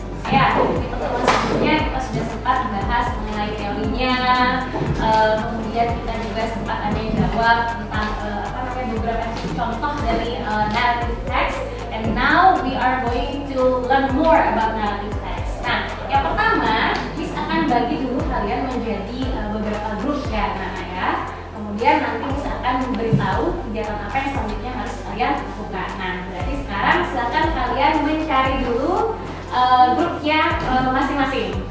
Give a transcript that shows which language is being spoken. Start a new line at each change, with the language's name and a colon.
Indonesian: Ya, di pertemuan sebelumnya kita sudah sempat membahas mengenai teorinya. Kemudian kita juga sempat ada yang jawab tentang apa namanya beberapa contoh dari narrative text.
English: And now we are going to learn more about narrative text.
Indonesian: Nah, yang pertama, Miss akan bagi dulu kalian menjadi beberapa grup ya, Nana ya. Kemudian nanti Miss akan memberitahu kegiatan apa yang selanjutnya harus kalian lakukan. Nah, berarti sekarang silakan kalian mencari dulu grupnya masing-masing.